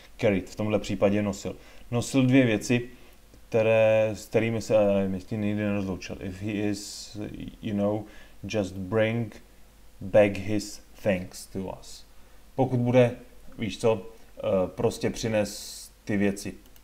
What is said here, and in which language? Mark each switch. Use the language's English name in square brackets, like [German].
[English] Carried. [Czech] V tomhle případě nosil. Nosil dvě věci, které, s kterými se ještě nikdy nerozloučil. [English] If he is, you know, just bring back his things to us. [Czech] Pokud bude, víš co, prostě přines ty věci.